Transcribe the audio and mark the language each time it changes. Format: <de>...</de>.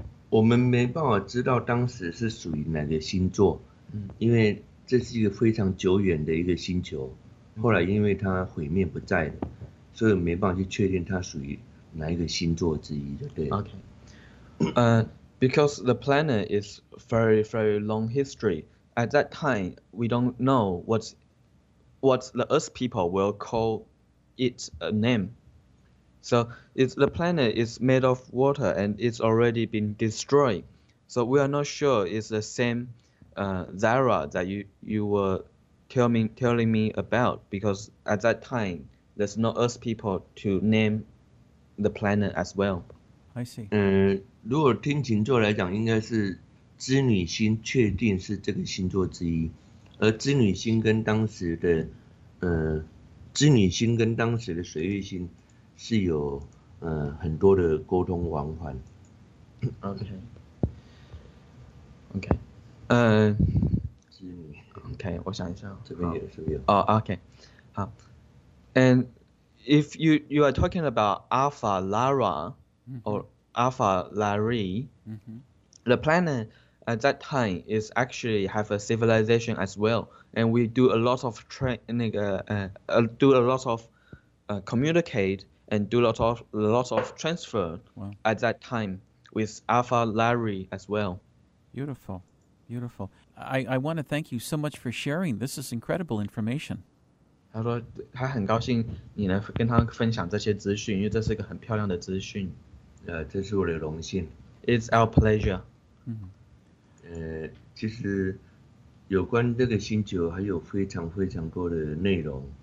<zh>我们没办法知道当时是属于哪个星座，因为这是一个非常久远的一个星球，后来因为它毁灭不在了，所以没办法去确定它属于哪一个星座之一的。对。</zh> <en>Okay. Because the planet is very very long history. At that time, we don't know what the Earth people will call it a name. So it's, the planet is made of water and it's already been destroyed. So we are not sure it's the same Zara that you were telling me about, because at that time, there's no Earth people to name the planet as well. I see.</en> <zh>如果听星座来讲，应该是织女星确定是这个星座之一，而织女星跟当时的织女星跟当时的水月星是有很多的沟通往返。</zh> <en>OK。</en> <zh>织女。 OK， 我想一下。这边有，是不是有？哦、</zh> <en>oh, ，OK， 好。And if you are talking about Alpha Lara or Alpha Lari,、mm-hmm. the planet at that time is actually have a civilization as well, and we do a lot of training, do a lot of communicate and do a lot of transfer. Wow. At that time with Alpha Lari as well. Beautiful, beautiful. I want to thank you so much for sharing. This is incredible information.</en> <zh>他说他很高兴你能跟他分享这些资讯，因为这是一个很漂亮的资讯。这是我的荣幸。</zh> <en>It's our pleasure.</en> <zh>其实有关这个星球还有非常非常多的内容。</zh>